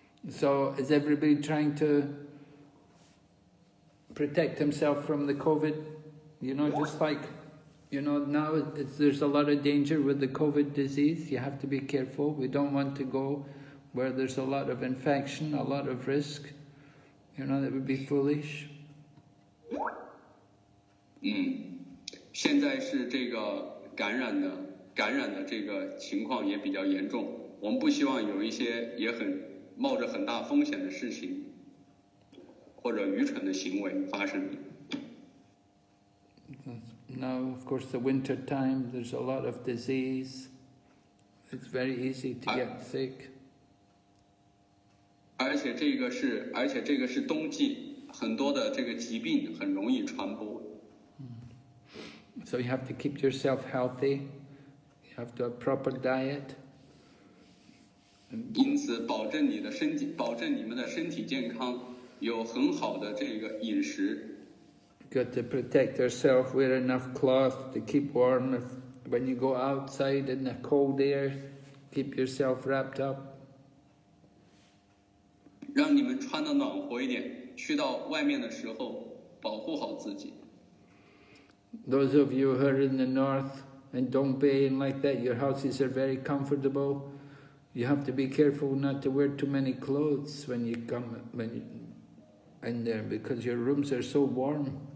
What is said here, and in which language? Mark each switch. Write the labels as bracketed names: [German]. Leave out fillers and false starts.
[English] So, is everybody trying to protect himself from the COVID? You know, just like, you know, now there's a lot of danger with the COVID disease. You have to be careful. We don't want to go where there's a lot of infection, a lot of risk, you know, that would be foolish. [Chinese] 现在是这个感染的这个情况也比较严重，我们不希望有一些也很冒着很大风险的事情或者愚蠢的行为发生。 [English] Now, of course, the winter time, there's a lot of disease. It's very easy to get sick. [Chinese] 而且这个是冬季，很多的这个疾病很容易传播。 [English] So you have to keep yourself healthy. You have to have a proper diet. [Chinese] 因此，保证你的身体，保证你们的身体健康，有很好的这个饮食。 [English] Got to protect yourself. Wear enough cloth to keep warm. When you go outside in the cold air, keep yourself wrapped up. [Chinese] 让你们穿得暖和一点，去到外面的时候保护好自己。 [English] Those of you who are in the north and Dongbei and like that, your houses are very comfortable. You have to be careful not to wear too many clothes when you come in there because your rooms are so warm.